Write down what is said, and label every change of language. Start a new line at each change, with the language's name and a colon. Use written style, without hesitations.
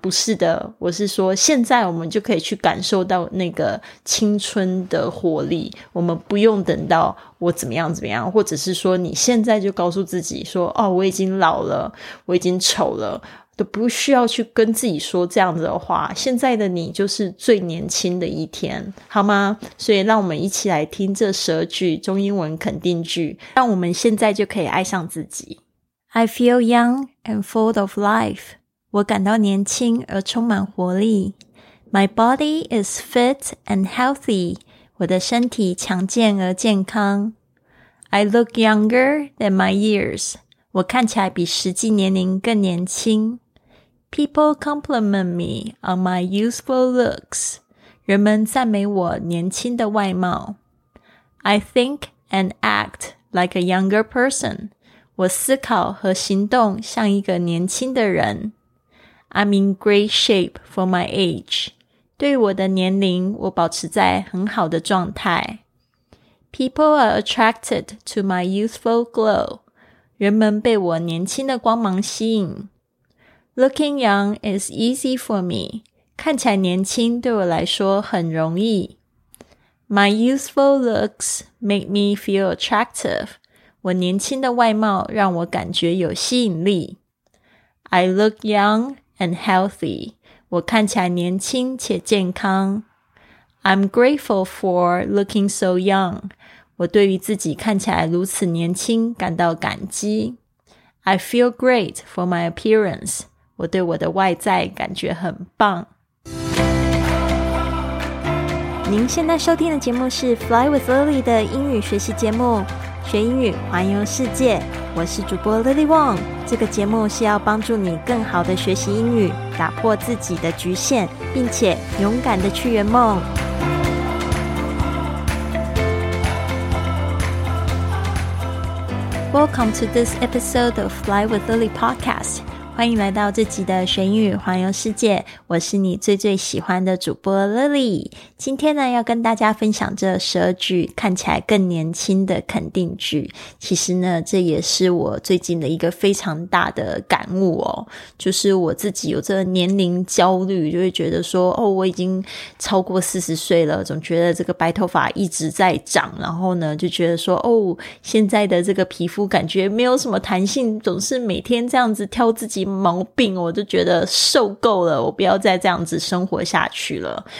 Chinese: 不是的，我是说现在我们就可以去感受到那个青春的活力，我们不用等到我怎么样怎么样，或者是说你现在就告诉自己说哦，我已经老了，我已经丑了，都不需要去跟自己说这样子的话，现在的你就是最年轻的一天，好吗？所以让我们一起来听这十二句中英文肯定句，让我们现在就可以爱上自己。
English: I feel young and full of life，
Chinese: 我感到年轻而充满活力。
English: My body is fit and healthy，
Chinese: 我的身体强健而健康。
English: I look younger than my years，
Chinese: 我看起来比实际年龄更年轻。
English: People compliment me on my youthful looks.
Chinese: 人们赞美我年轻的外貌。
English: I think and act like a younger person.
Chinese: 我思考和行动像一个年轻的人。
English: I'm in great shape for my age.
Chinese: 对我的年龄，我保持在很好的状态。
English: People are attracted to my youthful glow.
Chinese: 人们被我年轻的光芒吸引。
English: Looking young is easy for me.
Chinese: 看起来年轻对我来说很容易。
English: My youthful looks make me feel attractive.
Chinese: 我年轻的外貌让我感觉有吸引力。
English: I look young and healthy.
Chinese: 我看起来年轻且健康。
English: I'm grateful for looking so young.
Chinese: 我对于自己看起来如此年轻感到感激。
English: I feel great for my appearance.
Chinese: 我对我的外在感觉很棒。您现在收听的节目是 Fly with Lily 的英语学习节目，学英语环游世界。我是主播 Lily Wong。这个节目是要帮助你更好的学习英语，打破自己的局限，并且勇敢的去圆梦。
English: Welcome to this episode of Fly with Lily podcast.
Chinese: 欢迎来到这集的学英语环游世界，我是你最最喜欢的主播 Lily。今天呢，要跟大家分享这十二句看起来更年轻的肯定句。其实呢，这也是我最近的一个非常大的感悟哦，就是我自己有这年龄焦虑，就会觉得说哦，我已经超过40岁了，总觉得这个白头发一直在长，然后呢就觉得说哦，现在的这个皮肤感觉没有什么弹性，总是每天这样子挑自己毛病，我就觉得受够了，我不要再这样子生活下去了。